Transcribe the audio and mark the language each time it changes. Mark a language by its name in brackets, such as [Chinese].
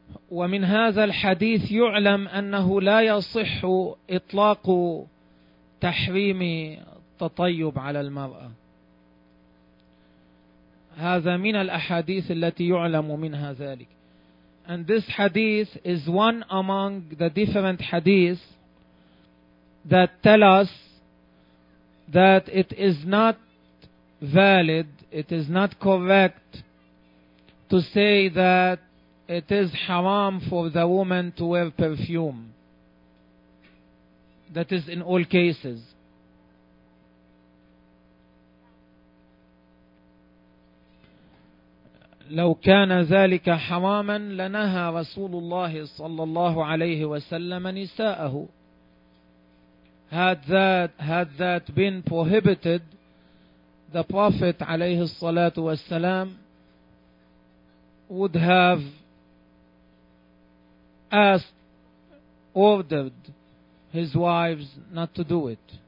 [Arabic] ومن هذا الحديث يعلم أنه لا يصح إطلاق تحريم التطيب على المرأة. هذا من الأحاديث التي يعلم منها ذلك. [English] And this hadith is one among the different hadith that tell us that it is not valid, it is not correct to say that it is haram for the woman to wear perfume. That is in all cases. [Arabic] لو كان ذلك حراما لنهى رسول الله صلى الله عليه وسلم نساءه. [English] Had that been prohibited, the Prophet [Arabic] عليه الصلاة والسلام [English] would have ordered his wives not to do it.